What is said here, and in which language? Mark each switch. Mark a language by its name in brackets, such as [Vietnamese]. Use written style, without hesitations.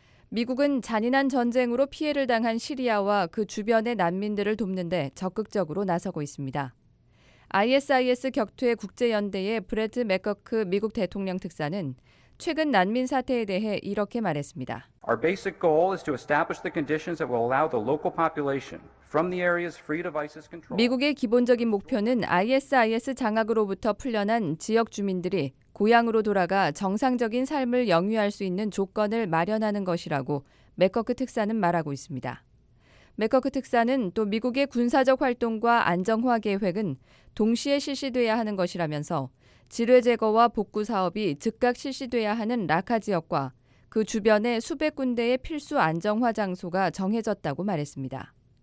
[Korean] 미국은 잔인한 전쟁으로 피해를 당한 시리아와 그 주변의 난민들을 돕는 데 적극적으로 나서고 있습니다. ISIS 격투의 국제연대의 브레트 맥거크 미국 대통령 특사는 최근 난민 사태에 대해 이렇게 말했습니다. [English] Our basic goal is to establish the conditions that will allow the local population from the areas free of ISIS control. [Korean] 미국의 기본적인 목표는 ISIS 장악으로부터 풀려난 지역 주민들이 고향으로 돌아가 정상적인 삶을 영위할 수 있는 조건을 마련하는 것이라고 맥거크 특사는 말하고 있습니다. 맥거크 특사는 또 미국의 군사적 활동과 안정화 계획은 동시에 실시돼야 하는 것이라면서 지뢰 제거와 복구 사업이 즉각 실시돼야 하는 라카 지역과 그 주변의 수백 군데의 필수 안정화 장소가 정해졌다고 말했습니다.